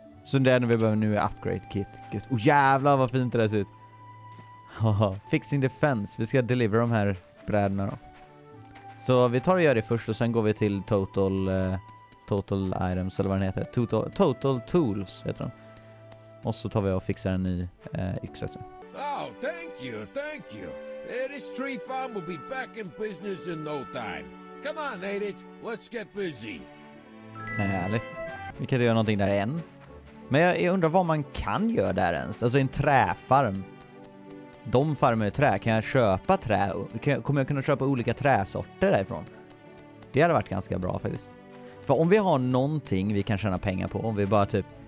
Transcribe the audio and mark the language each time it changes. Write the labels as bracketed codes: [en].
[sv] Så det är när vi behöver nu är upgrade kit. Gud. Oh, jävlar vad fint det ser ut. [en] Fixing defense. [sv] Vi ska deliver de här brädorna då. Så vi tar och gör det först och sen går vi till Total items eller vad den heter. Total tools heter de. Och så tar vi och fixar en ny yxa. [en] Oh, thank you, thank you. This tree farm will be back in business in no time. Come on, Edith. Let's get busy. [sv] Härligt. Vi kan inte göra någonting där än. Men jag undrar vad man kan göra där ens. Alltså en träfarm. De farmer trä. Kan jag köpa trä? Kommer jag kunna köpa olika träsorter därifrån? Det hade varit ganska bra faktiskt. För om vi har någonting vi kan tjäna pengar på. Om vi bara typ...